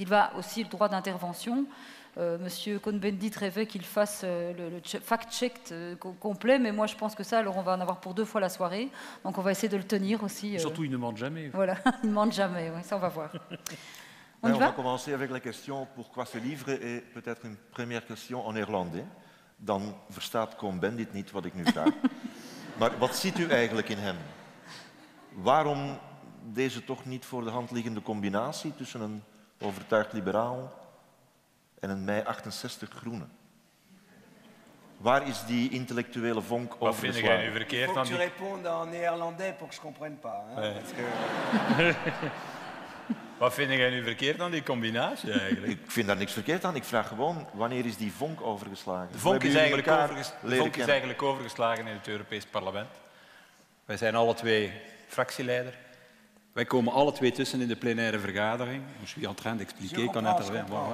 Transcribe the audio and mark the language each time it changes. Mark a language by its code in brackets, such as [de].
[fr] Il va aussi le droit d'intervention. Monsieur Cohn-Bendit rêvait qu'il fasse le fact-check complet, mais moi, je pense que ça, alors on va en avoir pour deux fois la soirée, donc on va essayer de le tenir aussi. Surtout, il ne ment jamais. Voilà, il ne ment jamais, ouais, ça, on va voir. On va commencer avec la question pourquoi ce livre et peut-être une première question en néerlandais. [nl] Dan verstaat Cohn-Bendit niet wat ik nu vraag. Maar wat ziet u eigenlijk in hem? Waarom deze toch niet voor de hand liggende combinatie tussen een overtuigd liberaal en een mei 68 groene? Waar is die intellectuele vonk wat over? Wat vind jij nu verkeerd? [fr] Faut que tu répondes en néerlandais pour que je comprenne pas. Hein? Ouais. Parce que... [nl] Wat vind jij nu verkeerd aan die combinatie eigenlijk? Ik vind daar niks verkeerd aan. Ik vraag gewoon, wanneer is die vonk overgeslagen? De vonk is eigenlijk, overgeslagen in het Europees Parlement. Wij zijn alle twee fractieleider. Wij komen alle twee tussen in de plenaire vergadering. [fr] Je suis en train d'expliquer, [nl] ik kan net erbij.